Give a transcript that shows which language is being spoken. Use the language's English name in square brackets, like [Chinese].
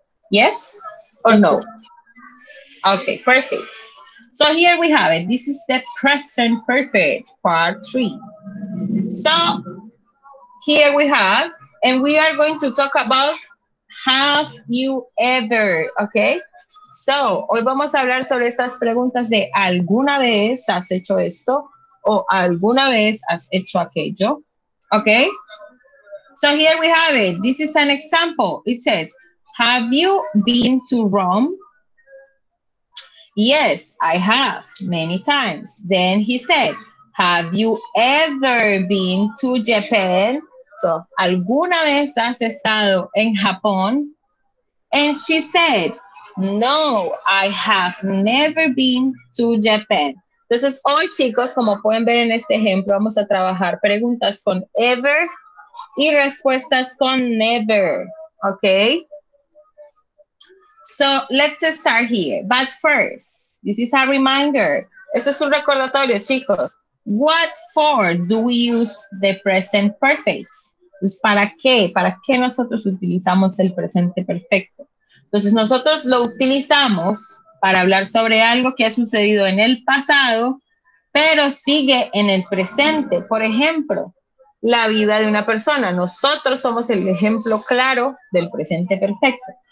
[English] Yes or no? Okay, perfect. So here we have it. This is the present perfect part three. So here we have, and we are going to talk about have you ever, okay? [Spanish] So, hoy vamos a hablar sobre estas preguntas de ¿alguna vez has hecho esto? O ¿alguna vez has hecho aquello? Okay? [English] So here we have it. This is an example. It says, have you been to Rome? Yes, I have, many times. Then he said, have you ever been to Japan? [Spanish] So, ¿alguna vez has estado en Japón? [English] And she said, no, I have never been to Japan. [Spanish] Entonces, hoy, chicos, como pueden ver en este ejemplo, vamos a trabajar preguntas con ever y respuestas con never, okay? [English] So, let's start here. But first, this is a reminder. [Spanish] Eso es un recordatorio, chicos. [English] What for do we use the present perfect? [Spanish] Pues, ¿para qué? ¿Para qué nosotros utilizamos el presente perfecto? Entonces, nosotros lo utilizamos para hablar sobre algo que ha sucedido en el pasado, pero sigue en el presente. Por ejemplo, la vida de una persona. Nosotros somos el ejemplo claro del presente perfecto.